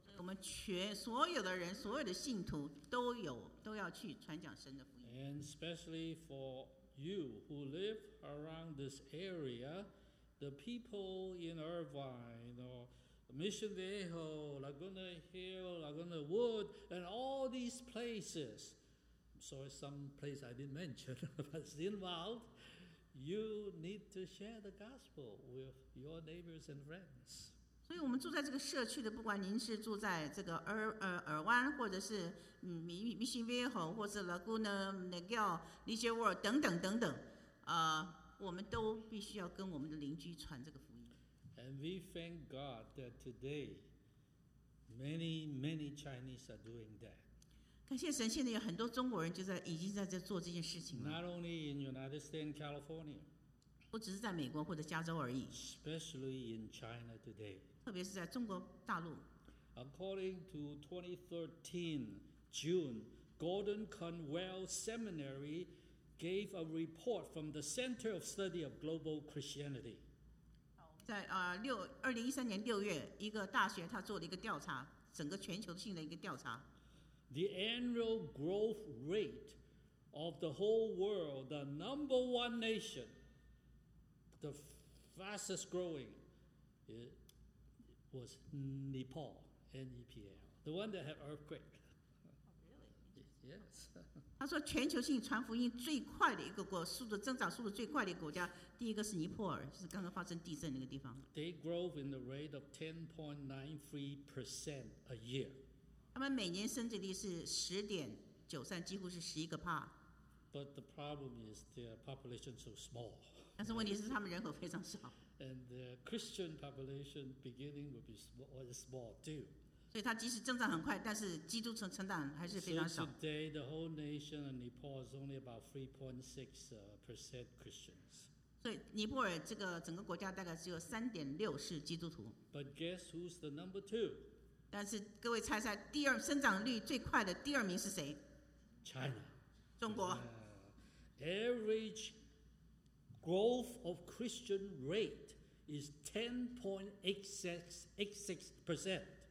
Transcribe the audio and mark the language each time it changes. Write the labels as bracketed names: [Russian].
[Chinese] 我们全所有的人，所有的信徒都有都要去传讲神的福音。 [English] And especially for you who live around this area, the people in Irvine or Mission Viejo, Laguna Hill, Laguna Wood, and all these places. Sorry, some place I didn't mention, but it's involved. You need to share the gospel with your neighbors and friends. [Chinese] 所以我们住在这个社区的，不管您是住在这个尔湾，或者是Mission Viejo，或者 Laguna Niguel、Leisure World 等等等等，我们都必须要跟我们的邻居传这个福音。 [English] And we thank God that today many, many Chinese are doing that. [Chinese] 感谢神，现在有很多中国人就在已经在这做这件事情了。 [English] Not only in United States and California， [Chinese] 不只是在美国或者加州而已。 [English] Especially in China today， [Chinese] 特别是在中国大陆。 [English] According to 2013 June， Gordon Conwell Seminary gave a report from the Center of Study of Global Christianity。 [Chinese] 在2013年6月，一个大学他做了一个调查，整个全球性的一个调查。 [English] The annual growth rate of the whole world, the number one nation, the fastest growing, it was Nepal, N-E-P-A-L, the one that had earthquake. Really? Yes. [Chinese] 他说全球性传福音最快的一个国，速度增长速度最快的一个国家，第一个是尼泊尔，就是刚刚发生地震那个地方。 [English] They grow in the rate of 10.93% a year. [Chinese] 他们每年生殖率是 10.93 几乎是 11%。 [English] But the problem is their population is so small. [Chinese] 但是问题是他们人口非常少。 [English] And the Christian population beginning will be small too. [Chinese] 所以它即使增长很快，但是基督成长还是非常少。 [English] So today the whole nation of Nepal is only about 3.6% Christians. [Chinese] 所以尼泊尔这个整个国家大概只有 3.6% 是基督徒。 [English] But guess who's the number two? [Chinese] 但是各位猜猜，第二生长率最快的第二名是谁 [English] ？China， [Chinese] 中国。 [English] Average growth of Christian rate is 10.86%。